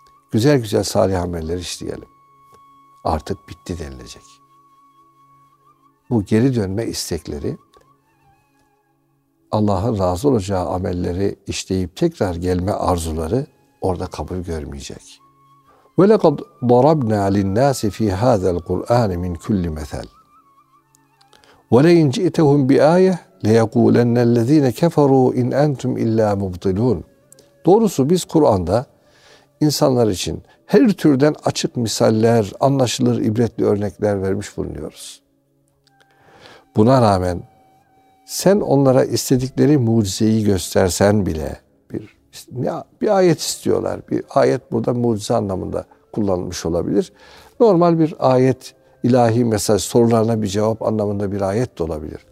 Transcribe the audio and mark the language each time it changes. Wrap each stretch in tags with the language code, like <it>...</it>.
<tr>Güzel güzel salih ameller işleyelim. Artık bitti denilecek. Bu geri dönme istekleri, Allah'ın razı olacağı amelleri işleyip tekrar gelme arzuları orada kabul görmeyecek.</tr> <ar>وَلَقَدْ ضَرَبْنَا لِلنَّاسِ فِي هَذَا الْقُرْآنِ مِنْ كُلِّ مَثَلٍ وَلَئِنْ جِئْتَهُمْ بِآيَةٍ لَيَقُولَنَّ الَّذِينَ كَفَرُوا اِنْ اَنْتُمْ اِلَّا مُبْطِلُونَ</ar> <tr>Doğrusu biz Kur'an'da insanlar için her türden açık misaller, anlaşılır ibretli örnekler vermiş bulunuyoruz. Buna rağmen sen onlara istedikleri mucizeyi göstersen bile, bir ayet istiyorlar. Bir ayet burada mucize anlamında kullanılmış olabilir. Normal bir ayet, ilahi mesaj, sorularına bir cevap anlamında bir ayet de olabilir.</tr>